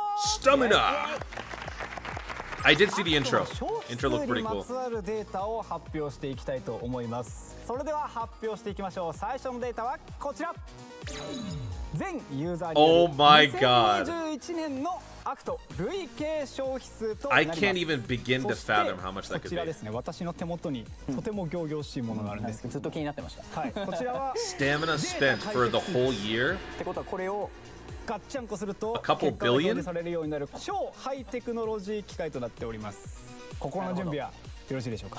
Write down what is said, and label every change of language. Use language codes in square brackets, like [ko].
[en] スタミナ。I did see the intro. Intro looked pretty cool. [ja] まつわるデータを発表していきたいと思います。それでは発表していきましょう。最初のデータはこちら。全ユーザーによる2021年のアクト累計消費数となります。 [en] I can't even begin to fathom how much that could be. [ja] こちらですね。私の手元にとても仰々しいものがあるんですけど、ずっと気になってました。はい。こちらは。 [en] Stamina spent for the whole year. [ja] ってことはこれを。ガッチャンコすると結果が表示されるようになる超ハイテクノロジー機械となっております。ここの準備はよろしいでしょうか。